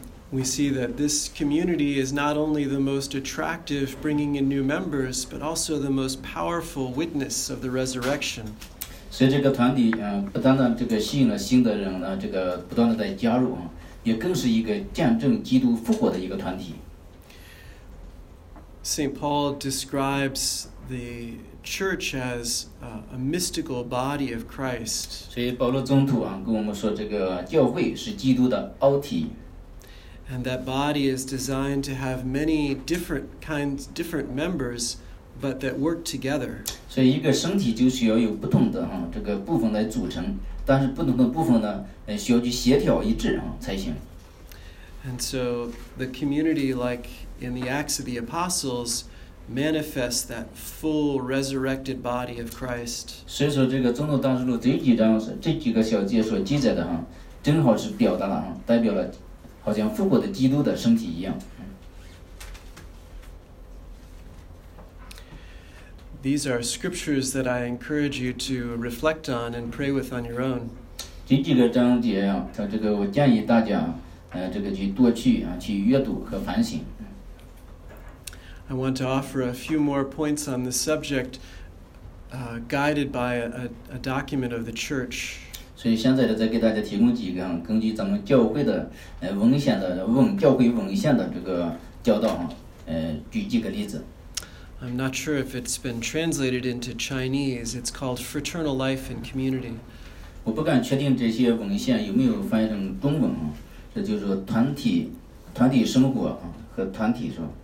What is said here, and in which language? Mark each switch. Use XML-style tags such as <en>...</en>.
<en>We see that this community is not only the most attractive bringing in new members, but also the most powerful witness of the resurrection.</en> <zh>所以这个团体不单单这个吸引了新的人这个不断的在加入也更是一个见证基督复活的一个团体。</zh> <en>St. Paul describes the church as a mystical body of Christ.</en> <zh>所以保罗宗徒跟我们说这个教会是基督的奥体。</zh> <en>And that body is designed to have many different kinds, different members, but that work together.</en> <zh>所以一个身体就需要有不同的这个部分来组成，但是不同的部分呢，需要去协调一致才行。</zh> <en>And so the community, like in the Acts of the Apostles, manifests that full resurrected body of Christ.</en> <zh>所以说这个宗徒大事录这几章这几个小节所记载的正好是表达了代表了好像复活的基督的身体一样。</zh> <en>These are scriptures that I encourage you to reflect on and pray with on your own.</en> <zh>这几个章节这个我建议大家这个去多去去阅读和反省。</zh> <en>I want to offer a few more points on this subject, guided by a document of the church.</en> <zh>所以现在再给大家提供几个根据咱们教会的文献的文教会文献的这个教导举几个例子。</zh> <en>I'm not sure if it's been translated into Chinese. It's called Fraternal Life and Community.</en> <zh>我不敢确定这些文献有没有翻译成中文这就是团体生活和团体是吧？</zh>